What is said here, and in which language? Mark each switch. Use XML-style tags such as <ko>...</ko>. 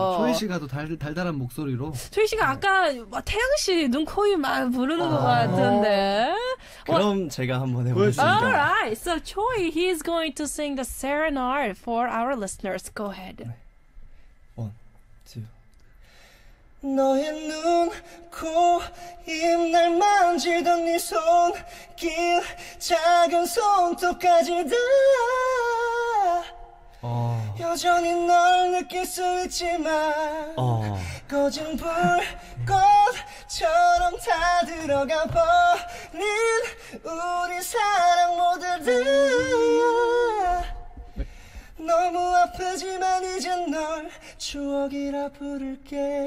<ko>초희 씨가 또 달달한 목소리로. 초희 씨가 아까 태양 씨 눈, 코, 입 막 부르는 것 같은데. 그럼 제가 한번 해보겠습니다.</ko> <en>Alright, so Choi, he is going to sing the serenade for our listeners. Go ahead.</en> <ko>너의 눈, 코, 입, 날 만지던 네 손, 길, 작은 손톱까지 다 여전히 널 느낄 수 있지만 꺼진 불꽃처럼 다 들어가 버린 우리 사랑 모두 다 너무 아프지만 이젠 널 추억이라 부를게.</ko>